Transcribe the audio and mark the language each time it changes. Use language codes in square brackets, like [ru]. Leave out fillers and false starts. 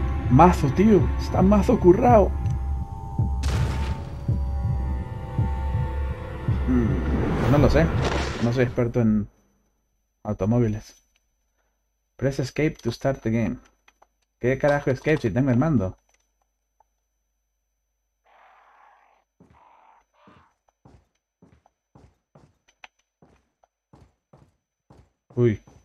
[es] Mazo, tío. Está mazo currao. No lo sé. No soy experto en automóviles. [en] Press escape to start the game. [es] ¿Qué carajo escape si tengo el mando? Uy.